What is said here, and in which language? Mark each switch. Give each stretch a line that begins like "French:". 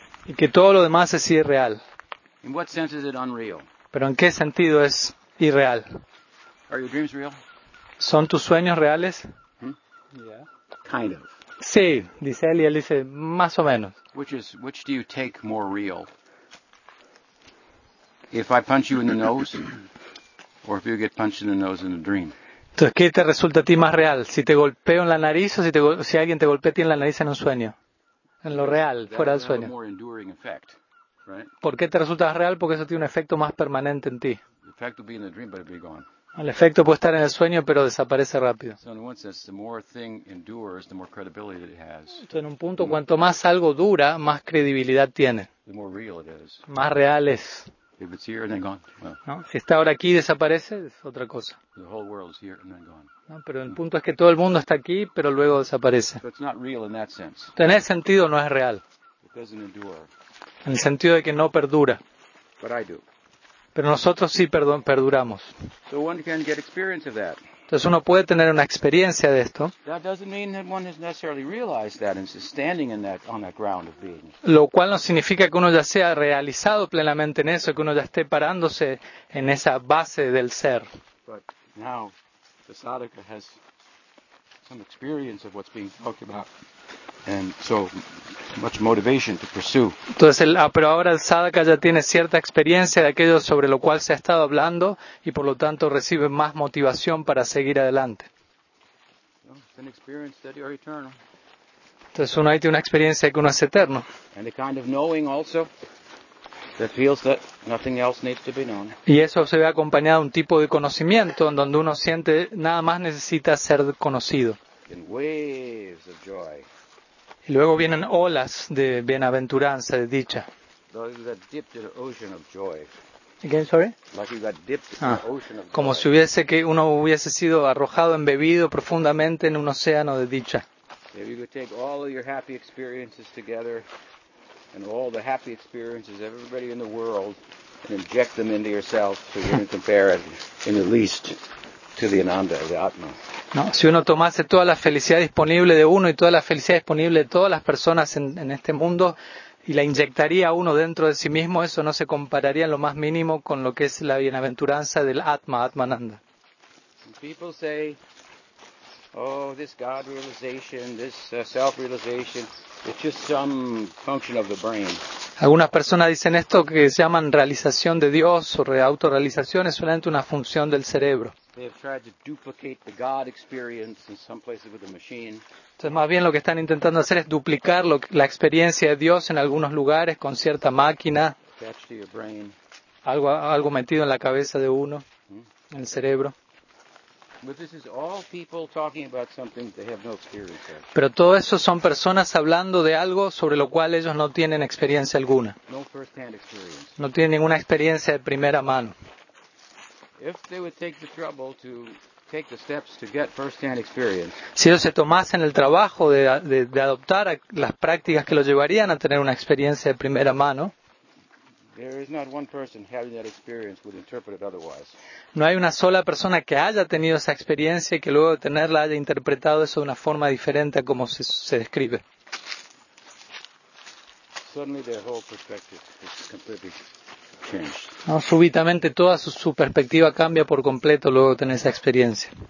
Spanish: Y que todo lo demás es irreal.
English: In what sense is it unreal?
Spanish: ¿Pero en qué sentido es irreal?
English: Are your dreams real?
Spanish: ¿Son tus sueños reales?
English: Yeah. Kind of.
Spanish: Sí, dice él, y él dice, más o menos.
English: Which do you take more real? If I punch you in the nose, or if you get punched in the nose in a dream?
Spanish: Entonces, ¿qué te resulta a ti más real? ¿Si te golpeo en la nariz o si alguien te golpea a ti en la nariz en un sueño? En lo real, fuera del sueño.
English: More enduring effect, right?
Spanish: ¿Por qué te resulta real? Porque eso tiene un efecto más permanente en ti.
English: The effect will be in the dream, but it'll be gone.
Spanish: El efecto puede estar en el sueño, pero desaparece rápido. Entonces, en un punto, cuanto más algo dura, más credibilidad tiene.
English: The more real it is.
Spanish: Más real es.
English: If it's here and then gone. Well,
Spanish: ¿no? Si está ahora aquí y desaparece, es otra cosa.
English: The whole world is here and then gone.
Spanish: ¿No? Pero el punto es que todo el mundo está aquí, pero luego desaparece.
English: So it's not real in that sense.
Spanish: En ese sentido no es real.
English: It doesn't endure.
Spanish: En el sentido de que no perdura.
English: But I do.
Spanish: Pero nosotros sí perduramos.
English: So one can get experience of that.
Spanish: Entonces uno puede tener una experiencia de esto.
English: That doesn't mean that one has necessarily realized that and is standing in that on that ground of being.
Spanish: Lo cual no significa que uno ya sea realizado plenamente en eso, que uno ya esté parándose en esa base del ser.
English: But now the sadhaka has some experience of what's being talked about. And so much motivation to pursue.
Spanish: Entonces, pero ahora el sadhaka ya tiene cierta experiencia de aquello sobre lo cual se ha estado hablando y por lo tanto recibe más motivación para seguir adelante.
English: It's an experience that you're eternal.
Spanish: Entonces uno ahí tiene una experiencia de que uno es eterno.
English: And a kind of knowing also that feels that nothing else needs to be known.
Spanish: Y eso se ve acompañado de un tipo de conocimiento en donde uno siente nada más necesita ser conocido.
English: In waves of joy.
Spanish: Y luego vienen olas de bienaventuranza, de dicha.
English: The dip to the ocean of joy. Again, sorry. Like you got dipped in the ocean of joy.
Spanish: Como si hubiese que uno hubiese sido arrojado, embebido profundamente en un océano de dicha.
English: If you could take all of your happy experiences together and all the happy experiences of everybody in the world and inject them into yourself so you can compare it in the least to the Ananda, the Atma.
Spanish: No, si uno tomase toda la felicidad disponible de uno y toda la felicidad disponible de todas las personas en este mundo y la inyectaría uno dentro de sí mismo, eso no se compararía en lo más mínimo con lo que es la bienaventuranza del Atma, Atmananda.
English: People say, oh, this God realization, this self realization, it's just some function of the brain.
Spanish: Algunas personas dicen esto que se llaman realización de Dios o autorrealización, es solamente una función del cerebro.
English: They have tried to duplicate the God experience in some places with a machine.
Spanish: Entonces, más bien lo que están intentando hacer es duplicar la experiencia de Dios en algunos lugares con cierta máquina.
English: Attached to your brain.
Spanish: Algo metido en la cabeza de uno, en el cerebro.
English: But this is all people talking about something they have no experience of.
Spanish: Pero todo eso son personas hablando de algo sobre lo cual ellos no tienen experiencia alguna.
English: No first-hand experience.
Spanish: No tienen ninguna experiencia de primera mano.
English: If they would take the trouble to take the steps to get first-hand experience.
Spanish: Si ellos se tomasen el trabajo de adoptar las prácticas que los llevarían a tener una experiencia de primera mano.
English: There is not one person having that experience would interpret it otherwise.
Spanish: No hay una sola persona que haya tenido esa experiencia y que luego de tenerla haya interpretado eso de una forma diferente a como se describe.
English: Suddenly their whole perspective is completely changed.
Spanish: No, súbitamente toda su perspectiva cambia por completo luego de tener esa experiencia.